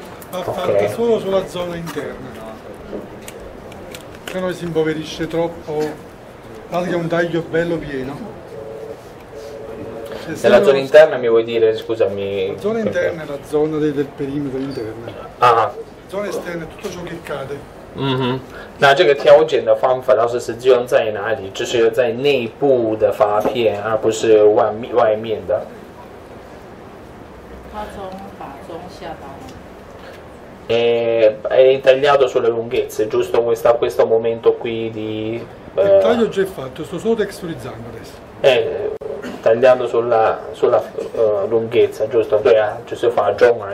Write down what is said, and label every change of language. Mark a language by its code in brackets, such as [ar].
[it] Ha fatto solo sulla zona interna, che non si impoverisce troppo. Anche un taglio bello pieno. Nella zona interna mi vuoi dire, scusami? La zona interna è la zona del perimetro interno. Ah. La zona esterna è tutto ciò che cade. Mm-hmm. [zh] 那这个挑拣的方法老师是只用在哪里？就是在内部的发片，而不是外面的。它从发中下到。 [it] È tagliato sulle lunghezze, giusto questo momento qui di. Il taglio già è fatto, sto solo texturizzando adesso. Tagliando sulla lunghezza, giusto? Sì, cioè si fa a giù ma